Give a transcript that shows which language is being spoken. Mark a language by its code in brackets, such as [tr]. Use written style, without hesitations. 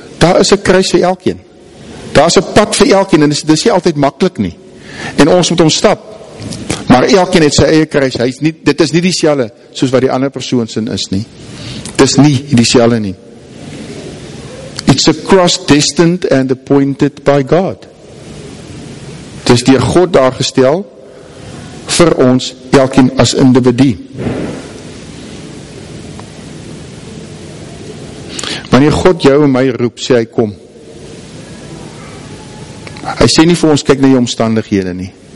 [af] Daar is 'n kruis vir elkeen. Daar is 'n pad vir elkeen, en dis nie altyd maklik nie. En ons moet ons stap. Maar elkeen het sy eie kruis. Dit is nie dieselfde soos wat die ander persoon sin is nie. Dit is nie dieselfde nie. [en] It's a cross destined and appointed by God. [af] Dit is deur God daar gestel vir ons elkeen as individu. Wanneer God jou en my roep, sê hy kom. Hy sê nie vir ons kyk na jou omstandighede nie.